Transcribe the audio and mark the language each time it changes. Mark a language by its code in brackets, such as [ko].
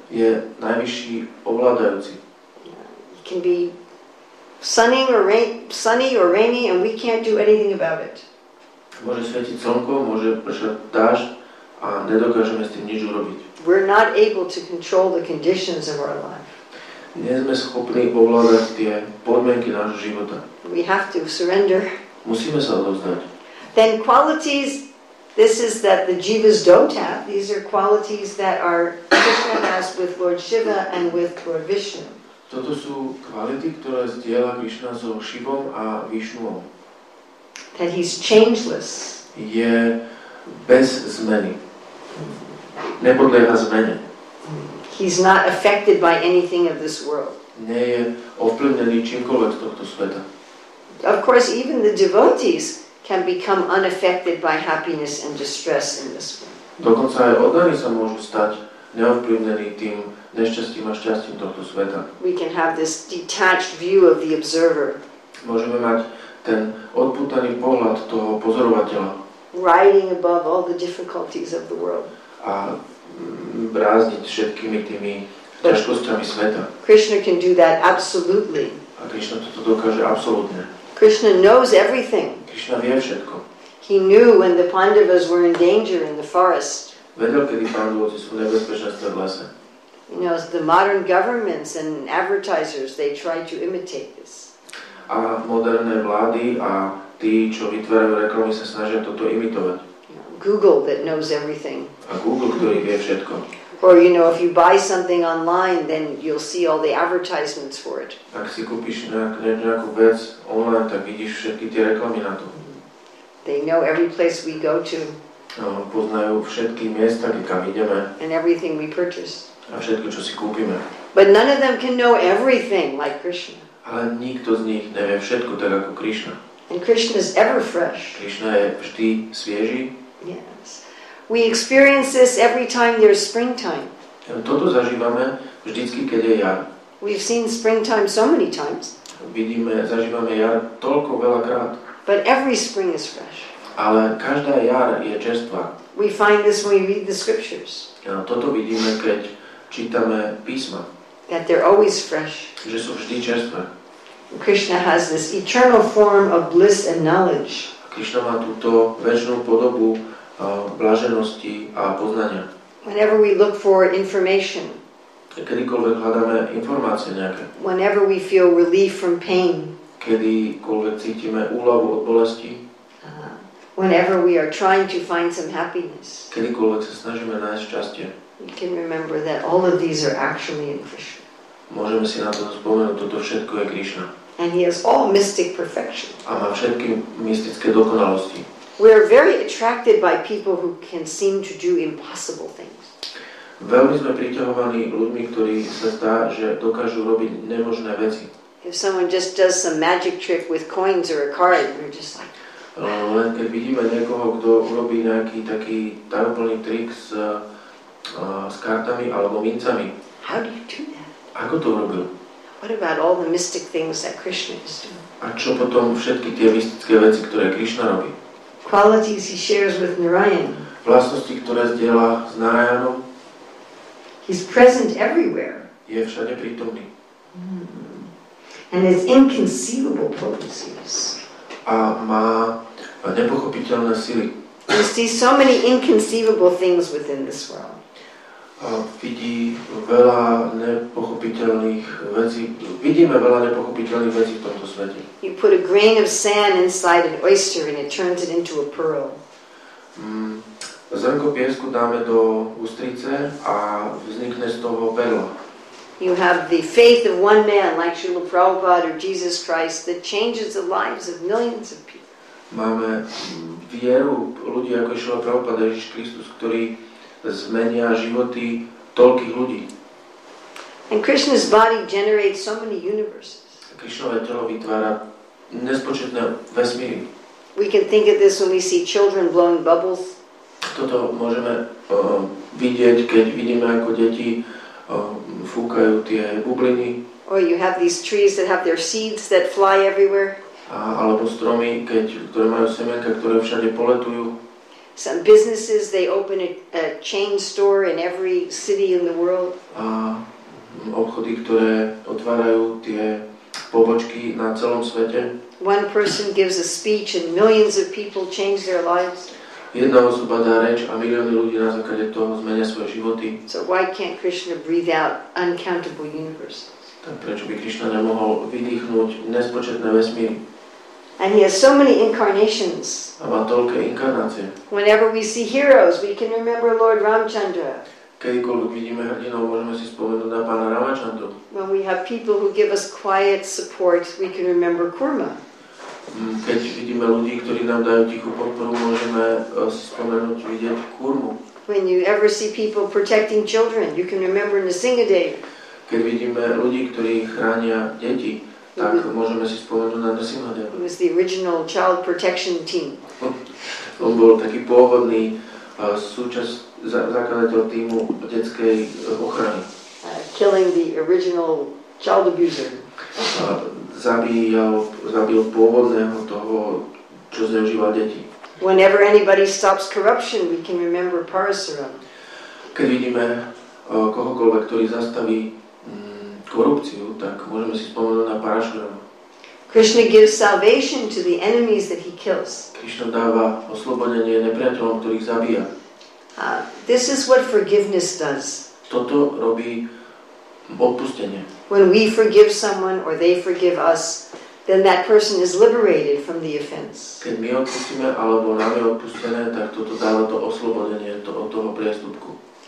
[sk] Je najvyšší ovládajúci. [en] He can be sunny or rainy and we can't do anything about it. [sk] Môže svietiť slnko, môže pršať dážď a nedokážeme s tým nič urobiť. [en] We're not able to control the conditions of our life. [sk] Nie sme schopní ovládať tie podmienky nášho života. [en] We have to surrender. [sk] Musíme sa odovzdať. [en] Then qualities, this is that the jivas don't have. These are qualities that are Krishna has with Lord Shiva and with Lord Vishnu. [sk] Toto sú kvality, ktoré zdieľa Krishna so Shivom a Vishnuom. [en] That he's changeless. [sk] Je bez zmeny. Nepodlieha zmene. [en] He's not affected by anything of this world. [sk] Nie je ovplyvnený čímkoľvek z tohto sveta. [en] Of course, even the devotees can become unaffected by happiness and distress in this world. [sk] Dokonca aj oddaní sa môžu stať neovplyvnený tým nešťastím a šťastím tohto sveta. [en] We can have this detached view of the observer. [sk] Môžeme mať ten odputaný pohľad toho pozorovateľa. [en] Riding above all the difficulties of the world. [sk] A brázdiť všetkými tými ťažkosťami sveta. [en] Krishna can do that absolutely. [sk] A Krishna toto dokáže absolútne. [en] Krishna knows everything. [sk] Krishna vie všetko. [en] He knew when the Pandavas were in danger in the forest. [sk] Vedel, kedy Pandavovci sú nebezpečenstvo v lese. [en] You know, the modern governments and advertisers, they try to imitate this. [sk] A moderné vlády a tí, čo vytvárajú reklamy, sa snažia toto imitovať. [en] Google that knows everything. [sk] A Google, ktorý vie všetko. [en] Or you know, if you buy something online, then you'll see all the advertisements for it. [sk] Ak si kúpiš nejakú vec online, tak vidíš všetky tie reklamy na to. [en] They know every place we go to. [sk] Poznajú všetky miesta, kam ideme. [en] And everything we purchase. [sk] A všetko, čo si kúpime. [en] But none of them can know everything like Krishna. [sk] Ale nikto z nich nevie všetko tak ako Krishna. [en] And Krishna is ever fresh. [sk] Krishna je vždy svieži. [en] Yes. We experience this every time there's springtime. [sk] Toto zažívame vždycky, keď je jar. [en] We've seen springtime so many times. [sk] Zažívame jar toľko veľakrát. [en] But every spring is fresh. [sk] Ale každá jar je čerstvá. [en] We find this when we read the scriptures. [sk] Toto vidíme, keď čítame písma. [en] That they're always fresh. [sk] Že sú vždy čerstvé. [en] Krishna has this eternal form of bliss and knowledge. [sk] Krishna má túto večnú podobu blaženosti a poznania. [en] Whenever we look for information. [sk] Kedykoľvek hľadáme informácie nejaké. [en] Whenever we feel relief from pain. [sk] Kedykoľvek cítime úľavu od bolesti. [en] Whenever we are trying to find some happiness. [sk] Kedykoľvek sa snažíme nájsť šťastie. [en] We can remember that all of these are actually in Krishna. [sk] Môžeme si na to spomenúť, toto všetko je Krishna. [en] And he has all mystic perfection. [sk] A má všetky mystické dokonalosti. [en] We are very attracted by people who can seem to do impossible things. [sk] Veľmi sme priťahovaní ľuďmi, ktorí sa zdá, že dokážu robiť nemožné veci. [en] If someone just does some magic trick with coins or a card, we're just like, [sk] Len keď vidíme niekoho, kto urobí nejaký taký tajúplný trik s kartami alebo mincami. [en] How do you do that? [sk] Ako to urobil? [en] What about all the mystic things that Krishna is doing? [sk] A čo potom všetky tie mystické veci, ktoré Krishna robí? [en] Qualities he shares with Narayan. [sk] Vlastnosti, ktoré zdieľa s Narayanom. [en] He's present everywhere. [sk] Je všade prítomný. [en] And his inconceivable potencies. [sk] A má nepochopiteľné sily. [en] He sees so many inconceivable things within this world. [sk] Vidí veľa nepochopiteľných vecí. Vidíme veľa nepochopiteľných vecí v tomto svete. [en] You put a grain of sand inside an oyster and it turns it into a pearl. [sk] Zrnko piesku dáme do ústrice a vznikne z toho perla. [en] You have the faith of one man like Srila Prabhupada or Jesus Christ that changes the lives of millions of people. [sk] Máme vieru ľudí ako Srila Prabhupada, Ježiš Kristus, ktorí zmenia životy toľkých ľudí. [en] And Krishna's body generates so many universes. [sk] Krishnovo telo vytvára nespočetné vesmíry. [en] We can think of this when we see children blowing bubbles. [sk] Toto môžeme vidieť, keď vidíme ako deti fúkajú tie bubliny. [en] Or you have these trees that have their seeds that fly everywhere. [sk] Alebo stromy, ktoré majú semienka, ktoré všade poletujú. [en] Some businesses, they open a chain store in every city in the world. [sk] A obchody, ktoré otvárajú tie pobočky na celom svete. [en] One person gives a speech and millions of people change their lives. [sk] Jedna osoba dá reč a milióny ľudí na základe toho zmenia svoje životy. [en] So why can't Krishna breathe out uncountable universes? [sk] Tak prečo by Krishna nemohol vydýchnuť nespočetné vesmíry? [en] And he has so many incarnations. [sk] A má toľké inkarnácie. [en] Whenever we see heroes, we can remember Lord Ramchandra. [sk] Kedykoľvek vidíme hrdinov, môžeme si spomenúť na pána Ramachandru. [en] When we have people who give us quiet support, we can remember Kurma. [sk] Keď vidíme ľudí, ktorí nám dajú tichú podporu, môžeme si spomenúť vidieť Kurmu. [en] When you ever see people protecting children, you can remember Nrsingadeva. [sk] Keď vidíme ľudí, ktorí chránia deti, tak môžeme si spomenúť na Nrsingadeva. [en] He was the original child protection team. [sk] On bol taký pôvodný súčasť zakladateľ týmu detskej ochrany. [en] Killing the original child abuser. [sk] Zabil pôvodného toho, čo zneužíval deti. [en] Whenever anybody stops corruption, we can remember Parasuram. [sk] Keď vidíme kohokoľvek, ktorý zastaví korupciu, tak môžeme si spomenúť na Parasurama. [en] Krishna gives salvation to the enemies that he kills. [sk] Krishna dáva oslobodenie nepriateľom, ktorých zabíja. [en] This is what forgiveness does. [sk] Toto robí odpustenie. [en] When we forgive someone or they forgive us, then that person is liberated from the offense. [sk] Keď my odpustíme alebo nám je odpustené, tak toto dáva to oslobodenie od toho priestupku.